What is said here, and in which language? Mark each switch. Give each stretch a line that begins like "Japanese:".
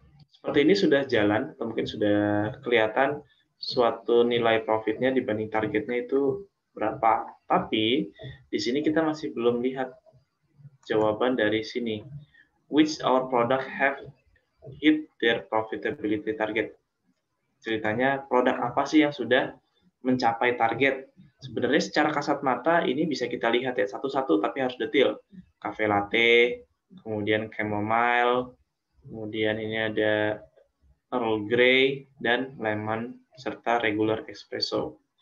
Indonesian: Seperti ini sudah jalan, atau mungkin sudah kelihatan suatu nilai profitnya dibanding targetnya itu berapa. Tapi di sini kita masih belum lihat jawaban dari sini.
English: Which our product have hit their profitability target?
Indonesian: Ceritanya produk apa sih yang sudah mencapai target? Sebenarnya secara kasat mata ini bisa kita lihat ya satu-satu, tapi harus detail. Cafe latte, kemudian chamomile, kemudian ini ada Earl Grey dan lemon serta regular espresso.